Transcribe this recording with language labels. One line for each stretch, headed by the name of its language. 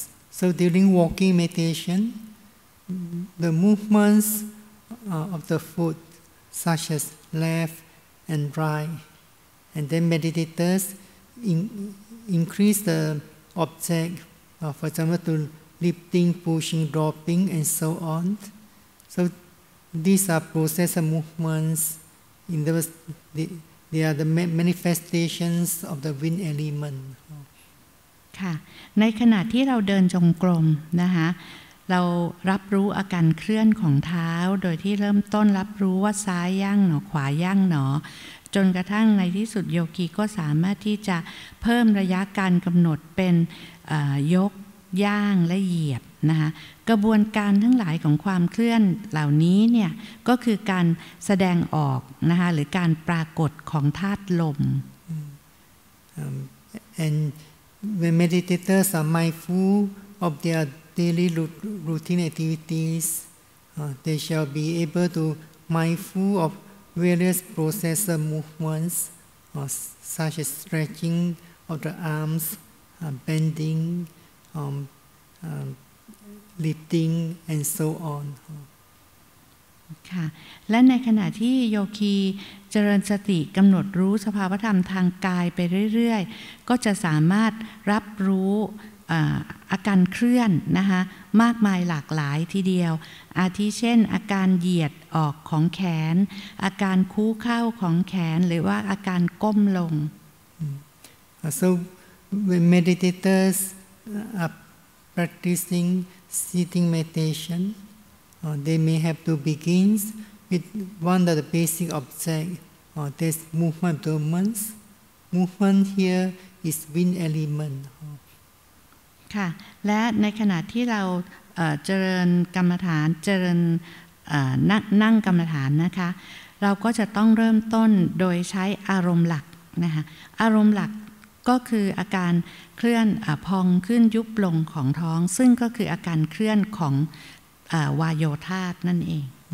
English: so during walking meditationThe movements of the foot, such as left and right, and then meditators increase the object, for example, to lifting, pushing, dropping, and so on. So these are process of movements. In other words, they are the manifestations of the wind element.
Thai: ค่ะในขณะที่เราเดินจงกรมนะคะเรารับรู้อาการเคลื่อนของเท้าโดยที่เริ่มต้นรับรู้ว่าซ้ายย่างหนอขวาย่างหนอจนกระทั่งในที่สุดโยคีก็สามารถที่จะเพิ่มระยะการกำหนดเป็นยกย่างและเหยียบนะคะกระบวนการทั้งหลายของความเคลื่อนเหล่านี้เนี่ยก็คือการแสดงออกนะคะหรือการปรากฏของธาตุลม
English: and when meditators are mindful of theirDaily routine activities, they shall be able to mindful of various process of movements, such as stretching of the arms, bending, lifting, and so on.
Thai: ค่ะและในขณะที่โยคีเจริญสติกำหนดรู้สภาวธรรมทางกายไปเรื่อยๆก็จะสามารถรับรู้อาการเคลื่อนนะคะมากมายหลากหลายทีเดียวอาทิเช่นอาการเหยียดออกของแขนอาการคู่เข้าของแขนหรือว่าอาการก้มลง
English: So when meditators are practicing sitting meditation they may have to begin with one of the basic object that's movement abdominals movement here is wind element
Thai: ค่ะและในขณะที่เราเจริญกรรมฐานเจริญนั่งกรรมฐานนะคะเราก็จะต้องเริ่มต้นโดยใช้อารมณ์หลักนะคะอารมณ์หลักก็คืออาการเคลื่อนพองขึ้นยุบลงของท้องซึ่งก็คืออาการเคลื่อนของวาโยธาตุนั่นเอง